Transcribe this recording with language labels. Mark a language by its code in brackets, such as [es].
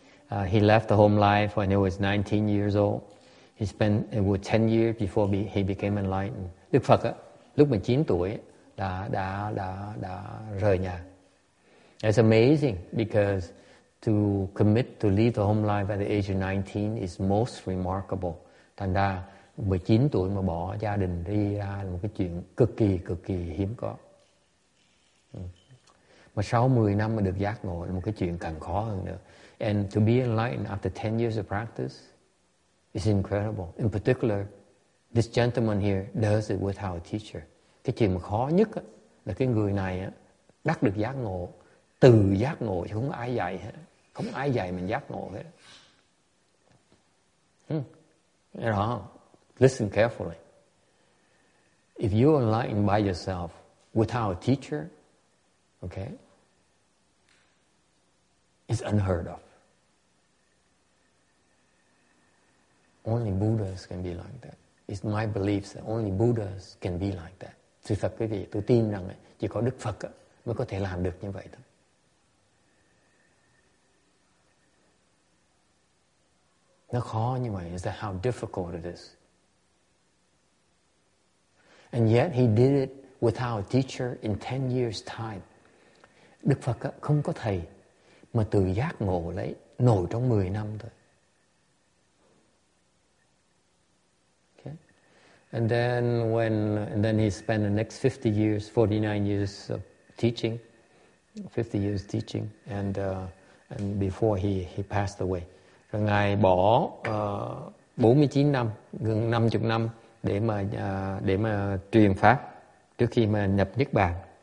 [en] He left the home life when he was 19 years old. He spent it was 10 years before he became enlightened. [vi] Đức Phật á, lúc 19 tuổi đã rời nhà. [en] It's amazing because to commit to leave the home life at the age of 19 is most remarkable. [vi] Thành ra 19 tuổi mà bỏ gia đình đi ra là một cái chuyện cực kỳ hiếm có. Mà sau 10 năm mà được giác ngộ là một cái chuyện càng khó hơn nữa. [en] And to be enlightened after 10 years of practice is incredible. In particular, this gentleman here does it without a teacher. [vi] Cái chuyện mà khó nhất á, là cái người này á, đắc được giác ngộ, từ giác ngộ chứ không ai dạy hết. Không ai dạy mình giác ngộ hết. [en] Đó. Listen carefully. If you are enlightened by yourself without a teacher, okay, it's unheard of. Only Buddhas can be like that. It's my belief that only Buddhas can be like that. [vi] Sự thật quý vị, tôi tin rằng chỉ có Đức Phật mới có thể làm được như vậy thôi. Nó khó như vậy. [en] Is that how difficult it is? And yet he did it without a teacher in 10 years' time. [vi] Đức Phật không có thầy, mà từ giác ngộ lấy, nổi trong 10 năm thôi. [en] And then he spent the next 50 years, 49 years of teaching, 50 years teaching, and before he passed away. [vi] Rồi ngài bỏ 49 năm, gần 50 năm để mà truyền pháp trước khi mà nhập Niết Bàn.